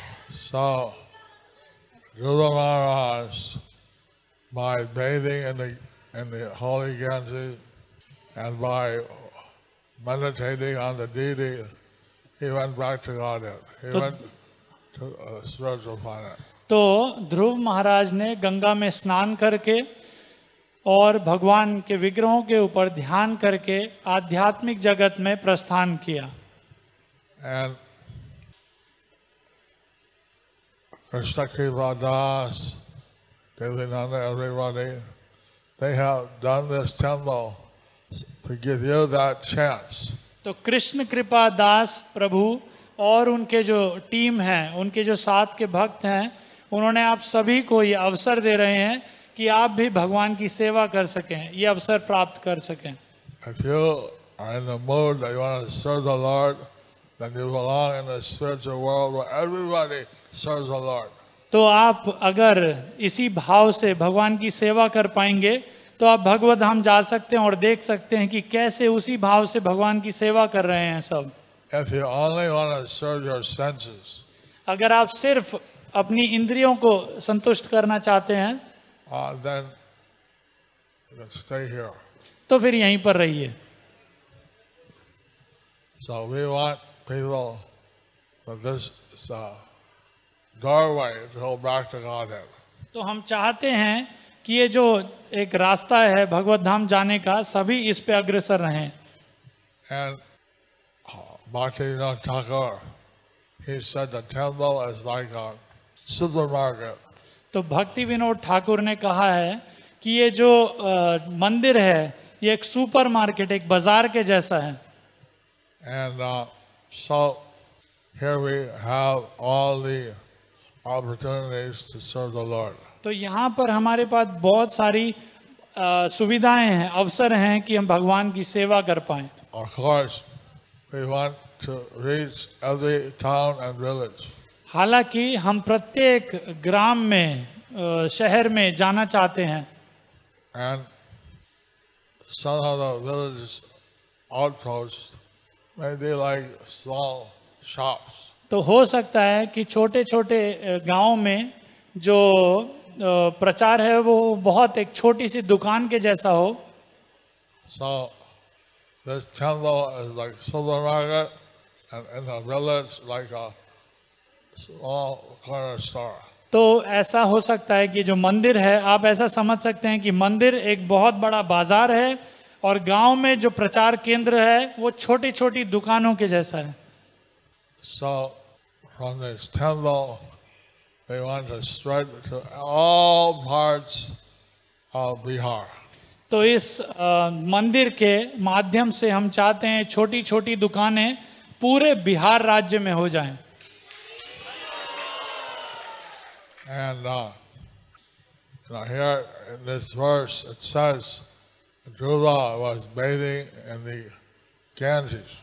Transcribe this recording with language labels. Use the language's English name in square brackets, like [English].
[English] So, Guru Maharaj, by bathing in the holy Ganges and by meditating on the deity, he went back to Godhead. [Hindi] तो ध्रुव महाराज ने गंगा में स्नान करके और भगवान के विग्रहों के ऊपर ध्यान करके आध्यात्मिक जगत में प्रस्थान किया. [English] And Krishna Kripa Das, Devinanda, everybody, they have done this temple to give you that chance. [Hindi] तो कृष्ण कृपा दास प्रभु और उनके जो टीम हैं, उनके जो साथ के भक्त हैं, उन्होंने आप सभी को ये अवसर दे रहे हैं कि आप भी भगवान की सेवा कर सकें, ये अवसर प्राप्त कर सकें. [English] If you are in the mood that you want to serve the Lord, then you belong in a spiritual world where everybody serves the Lord. [Hindi] तो आप अगर इसी भाव से भगवान की सेवा कर पाएंगे तो आप भगवद्धाम जा सकते हैं और देख सकते हैं कि कैसे उसी भाव से भगवान की सेवा कर रहे हैं सब. [English] If you only want to serve your senses, [Hindi] अगर आप सिर्फ अपनी इंद्रियों को संतुष्ट करना चाहते हैं [English] then you can stay here. [Hindi] तो फिर यहीं पर रहिए. [English] So we want people for this doorway to go back to Godhead. [Hindi] तो हम चाहते हैं कि ये जो एक रास्ता है भगवत धाम जाने का सभी इस पे अग्रसर रहें. [English] And Bhaktivinoda Thakur, he said the temple is like a supermarket. [Hindi] तो भक्ति विनोद ठाकुर ने कहा है कि ये जो मंदिर है ये एक सुपर मार्केट एक बाजार के जैसा है. [English] And so here we have all the opportunities to serve the Lord. [Hindi] तो यहाँ पर हमारे पास बहुत सारी सुविधाएं हैं अवसर हैं कि हम भगवान की सेवा कर पाए. [English] Of course, we want to reach every town and village. [Hindi] हालांकि हम प्रत्येक ग्राम में शहर में जाना चाहते हैं. [English] And some of the village outposts may be like small shops. [Hindi] तो हो सकता है कि छोटे छोटे गाँव में जो प्रचार है वो बहुत एक छोटी सी दुकान के जैसा हो. [English] So, this temple is like supermarket, and in the village like a small corner store. [Hindi] तो ऐसा हो सकता है कि जो मंदिर है आप ऐसा समझ सकते हैं कि मंदिर एक बहुत बड़ा बाजार है और गांव में जो प्रचार केंद्र है वो छोटी छोटी दुकानों के जैसा है. [English] So from this temple we want to spread to all parts of Bihar. [Hindi] तो इस मंदिर के माध्यम से हम चाहते हैं छोटी छोटी दुकानें पूरे बिहार राज्य में हो जाएं। [English] And here in this verse it says Dhruva was bathing in the Ganges.